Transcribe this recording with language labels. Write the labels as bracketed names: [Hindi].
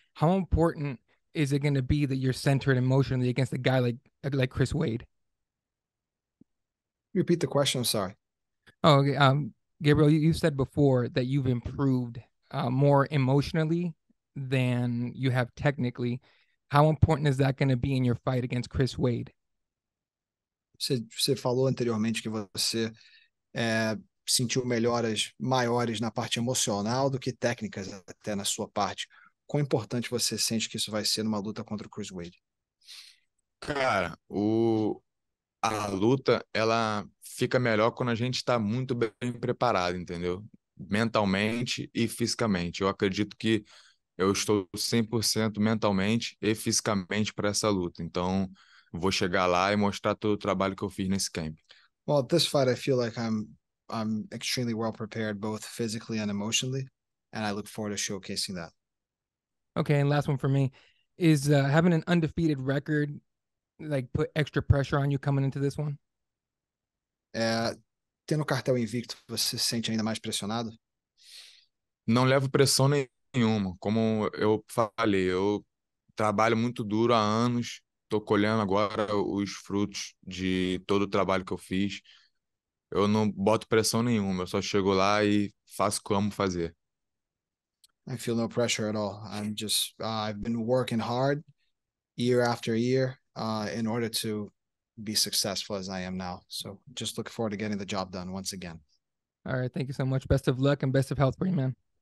[English] How important is it going to be that you're centered emotionally against a guy like Chris Wade? Repeat the question, I'm sorry. Oh, okay. Gabriel, you said before that you've improved more emotionally than you have technically. How important is that going to be in your fight against Chris Wade? [Portuguese] Você falou anteriormente que você sentiu melhoras maiores na parte emocional do que técnicas até na sua parte. Quão importante você sente que isso vai ser numa luta contra o Chris Wade? Cara, a luta, ela fica melhor quando a gente está muito bem preparado, entendeu? Mentalmente e fisicamente. Eu acredito que eu estou 100% mentalmente e fisicamente para essa luta. Então, vou chegar lá e mostrar todo o trabalho que eu fiz nesse camp. [English] Well, at this fight, I feel like I'm extremely well prepared, both physically and emotionally, and I look forward to showcasing that. Okay, and last one for me is having an undefeated record, like, put extra pressure on you coming into this one? [Portuguese] Tendo o cartel invicto, você se sente ainda mais pressionado? Não levo pressão nenhuma. Como eu falei, eu trabalho muito duro há anos. Tô colhendo agora os frutos de todo o trabalho que eu fiz. Eu não boto pressão nenhuma. Eu só chego lá e faço o que amo fazer. [English] I feel no pressure at all. I'm just, I've been working hard year after year in order to be successful as I am now. So just look forward to getting the job done once again. All right. Thank you so much. Best of luck and best of health for you, man.